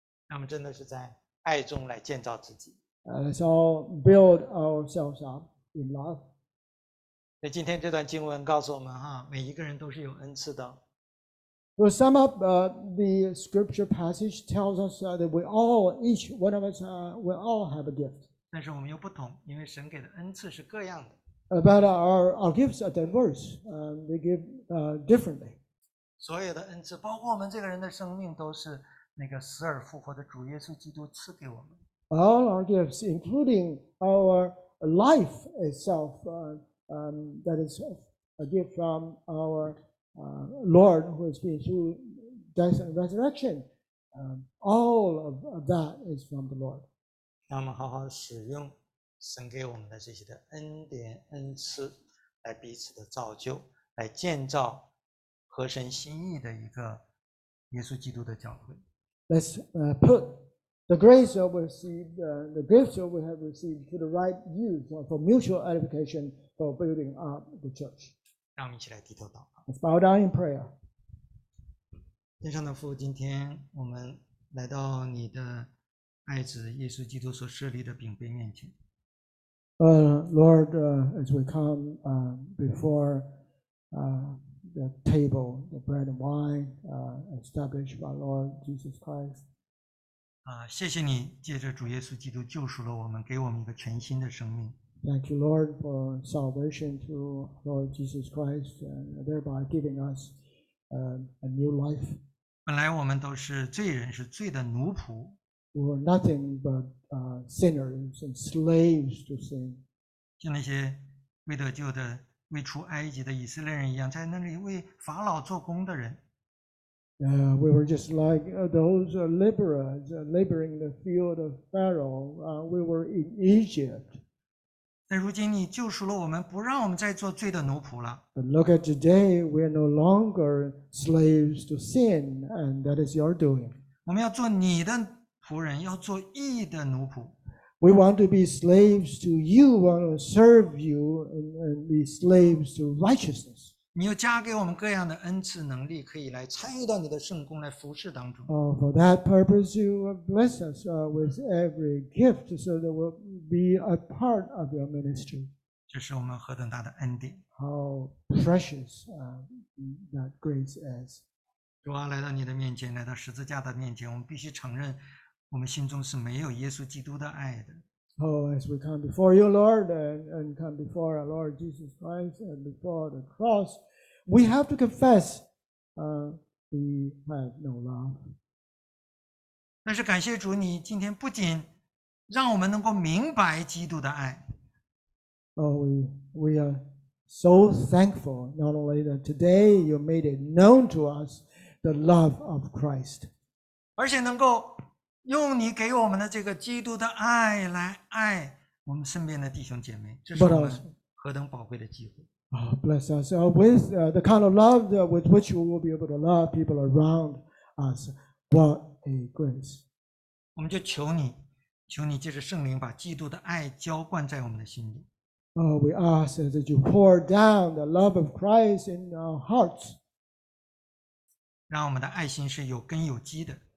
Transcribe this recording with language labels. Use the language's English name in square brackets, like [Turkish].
[Chinese] 那么真的是在爱中来建造自己。 [English] Let's all build ourselves up in love. [Chinese] 所以今天这段经文告诉我们哈，每一个人都是有恩赐的。 [English] To sum up, the scripture passage tells us that we all, each one of us, we all have a gift. [Chinese] 但是我们又不同，因为神给的恩赐是各样的。 [English] But our gifts are diverse. We give differently. [Chinese] 所有的恩赐，包括我们这个人的生命，都是那个死而复活的主耶稣基督赐给我们。 [English] All our gifts, including our life itself, that is a gift from our Lord who has been through death and resurrection, all of that is from the Lord. [Chinese] 那么好好使用神给我们的这些的恩典恩赐，来彼此的造就，来建造合神心意的一个耶稣基督的教会。 [English] Let's put the grace that we received, the gifts that we have received to the right use for mutual edification for building up the church. [Chinese] 让我们一起来低头祷告。 [English] Let's bow down in prayer. [Chinese] 天上的父，今天我们来到你的爱子耶稣基督所设立的饼杯面前。 [English] Lord, as we come before the table, the bread and wine established by Lord Jesus Christ. [Chinese] 谢谢你借着主耶稣基督救赎了我们，给我们一个全新的生命。 [English] Thank you, Lord, for salvation through Lord Jesus Christ, and thereby giving us a new life. [Chinese] 本来我们都是罪人，是罪的奴仆。 [English] We were nothing but sinners and slaves to sin. [Chinese] 像那些未得救的、未出埃及的以色列人一样，在那里为法老做工的人。 [English] We were just like those laborers laboring in the field of Pharaoh. We were in Egypt. [Chinese] 但如今你救赎了我们，不让我们再做罪的奴仆了。 [English] But look at today, we are no longer slaves to sin, and that is your doing. [Chinese] 我们要做你的仆人，要做义的奴仆。 [English] We want to be slaves to you, want to serve you, and be slaves to righteousness. [Chinese] 你又加给我们各样的恩赐能力，可以来参与到你的圣工来服事当中。 [English] For that purpose, you bless us with every gift, so that we'll be a part of your ministry. [Chinese] 这是我们何等大的恩典。 [English] How precious that grace is. [Chinese] 主啊，来到你的面前，来到十字架的面前，我们必须承认我们心中是没有耶稣基督的爱的。 [English] Oh, as we come before you, Lord, and come before our Lord Jesus Christ, and before the cross, we have to confess, we have no love. [Chinese] 但是感谢主，你今天不仅让我们能够明白基督的爱。 [English] Oh, we are so thankful, not only that today you made it known to us the love of Christ. [Chinese] 而且能够用你给我们的这个基督的爱来爱我们身边的弟兄姐妹，这是我们何等宝贵的机会。 [English] Bless us with the kind of love with which we will be able to love people around us. What a grace. [Chinese] 我们就求你，求你借着圣灵把基督的爱浇灌在我们的心里。 [English] We ask that you pour down the love of Christ in our hearts. [Chinese] 让我们的爱心是有根有基的。